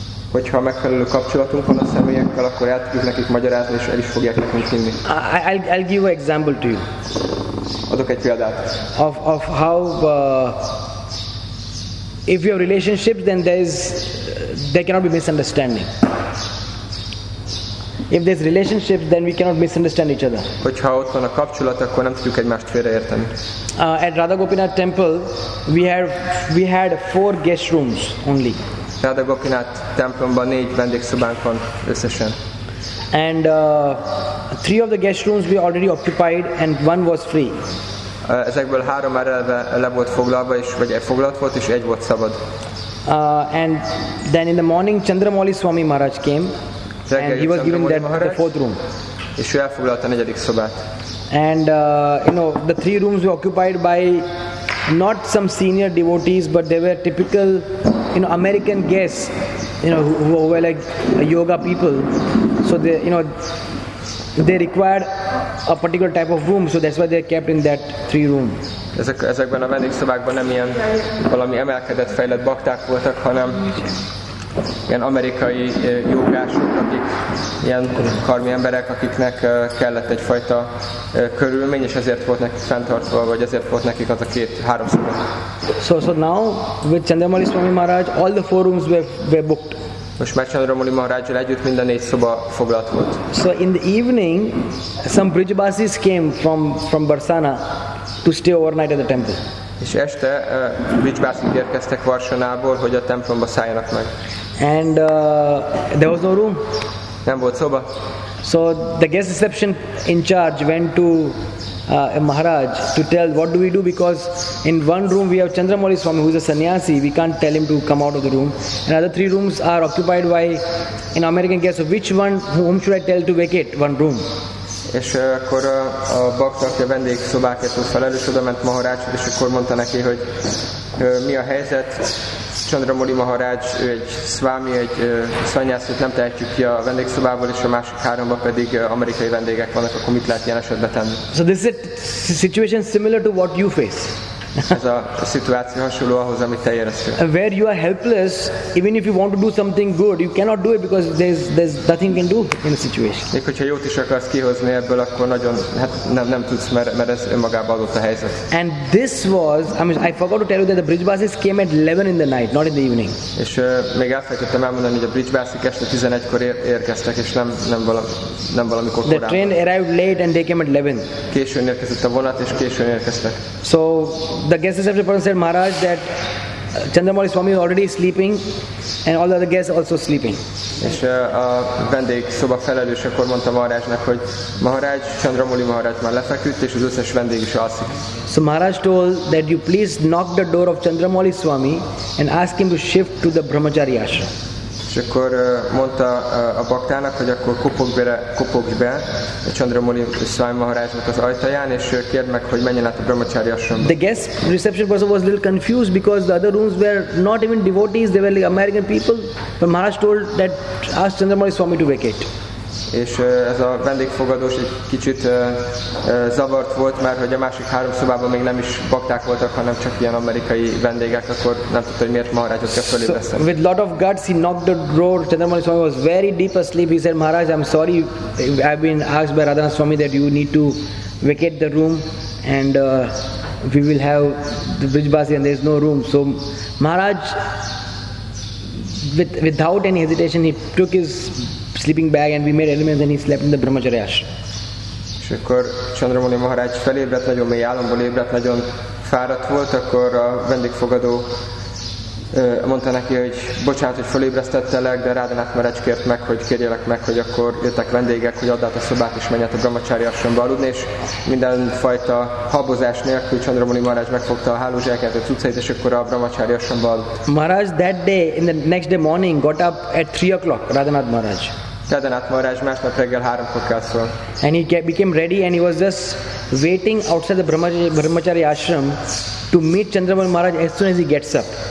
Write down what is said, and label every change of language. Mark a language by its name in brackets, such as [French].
[Hungarian] hogyha megfelelő kapcsolatunk van a személyekkel, akkor el tudjuk nekik magyarázni, és el is fogják nekünk hinni. [English] I'll give an example to you. [Hungarian] Adok egy példát. [English] Of how if you have relationships, then there cannot be misunderstanding. If there's relationships, then we cannot misunderstand each other. [Hungarian] Hogyha ott van a kapcsolat, akkor nem tudjuk egymást félreérteni. [English] At Radha Gopinath Temple, we had four guest rooms only. [Hungarian] Radha Gopinath templomban négy vendégszobánk van összesen. [English] And three of the guest rooms we already occupied, and one was free. [Hungarian] Ezekből három már eleve le volt foglalva, és vagy elfoglalt volt, és egy volt szabad. [English] And then in the morning, Chandramouli Swami Maharaj came. And he was given the fourth room. [Hungarian] És ő elfoglalta a negyedik szobát. [English] And you know, the three rooms were occupied by not some senior devotees, but they were typical, you know, American guests, you know, who were like yoga people. So they, you know, they required a particular type of room, so that's why they are kept in that three room. [Hungarian] Ezekben a vendégszobákban nem ilyen valami emelkedett fejlett bakták voltak, hanem ilyen amerikai jogások, akik ilyen karmi emberek, akiknek kellett egyfajta körülmény, és ezért volt nekik fenntartva, vagy ezért volt nekik az a két-három szoba. [English] So now, with Chandramouli Swami Maharaj, all the four rooms were booked. [Hungarian] Most már Chandramouli Maharajjal együtt minden négy szoba foglalt volt. [English] So in the evening, some Brijbasis came from Barsana to stay overnight at the temple. [Hungarian] És este Brijbasik érkeztek Varsanából, hogy a templomba szálljanak meg. [English] And there was no room. [Hungarian] Nem volt szoba. [English] So the guest reception in charge went to Maharaj to tell what do we do, because in one room we have Chandramouli Swami, who is a sannyasi. We can't tell him to come out of the room. And other three rooms are occupied by an American guest. So which one, whom should I tell to vacate one room? [Hungarian] És akkor a bakta, aki a vendégszobákért volt felelős, oda ment Maharajhoz, és akkor mondta neki, hogy mi a helyzet. Chandramouli Maharaj, ő egy szvámi, egy szanyászot nem tehetjük ki a vendégszobából, és a másik háromban pedig amerikai vendégek vannak, akkor mit lehet ilyen esetben tenni? [English] So this is a situation similar to what you face. [Hungarian] Ez a szituáció hasonló ahhoz, amit te éreztél. [English] Where you are helpless, even if you want to do something good, you cannot do it because there's nothing you can do in a situation. [Hungarian] Még hogyha jót is akarsz kihozni ebből, akkor nagyon nem tudsz, mert ez önmagában adott a helyzet. [English] And this was, I mean, I forgot to tell you that the Brijbasis came at 11 in the night, not in the evening. [Hungarian] És még elfelejtettem elmondani, hogy a Brijbasik este 11-kor érkeztek, és nem valamikor korábban. [English] The train arrived late and they came at 11. [Hungarian] Későn érkezett a vonat, és későn érkeztek. [English] So the guest reception person said, Maharaj, that Chandramouli Swami is already sleeping and all the other guests also sleeping. [Hungarian] És a vendég szoba felelős akkor mondta Maharajnak, hogy Maharaj, Chandramouli Maharaj már lefeküdt, és az összes vendég is alszik. [English] So Maharaj told that you please knock the door of Chandramouli Swami and ask him to shift to the Brahmachari Ashram. [Hungarian] És akkor mondta a baktának, hogy akkor kopogj be a Chandramouli Swami Maharajnak az ajtaján, és kérd meg, hogy menjen át a Brahmachari Ashramba. [English] The guest reception person was a little confused because the other rooms were not even devotees, they were like American people. But Maharaj told that ask Chandramouli Swami to vacate. [Hungarian] És ez a vendégfogadós egy kicsit zavart volt, mert hogy a másik három szobában még nem is bakták voltak, hanem csak ilyen amerikai vendégek, akkor nem tudta, hogy miért Maharajot kell fölébreszteni. [English] So, with lot of guts he knocked the door. Chandramouli Swami was very deep asleep. He said, Maharaj, I'm sorry, I've been asked by Radhana Swami that you need to vacate the room and we will have the Brijbasi and there is no room. So Maharaj, without any hesitation, he took his sleeping bag and we made arrangements and he slept in the Brahmachari Ashram. [Hungarian] És akkor Chandramouli Maharaj felébredt, nagyon mély álomból ébredt, nagyon fáradt volt, akkor a vendégfogadó mondta neki, hogy bocsánat, hogy felébresztettelek, de Radhanath Maharaj kért meg, hogy kérjelek meg, hogy akkor jöttek vendégek, hogy add át a szobát és menj át a Brahmachari Ashramba aludni, és mindenfajta habozás nélkül Chandramouli Maharaj megfogta a hálózsákját, a cuccait, és akkor a Brahmachari Ashramba aludt. [English] Maharaj that day, in the next day morning, got up at 3 o'clock, Radhanath Maharaj. [Hungarian] Radhanath Maharaj másnap reggel 3-kor kelt föl. [English] And he became ready and he was just waiting outside the Brahmachari Ashram to meet Chandramouli Maharaj as soon as he gets up.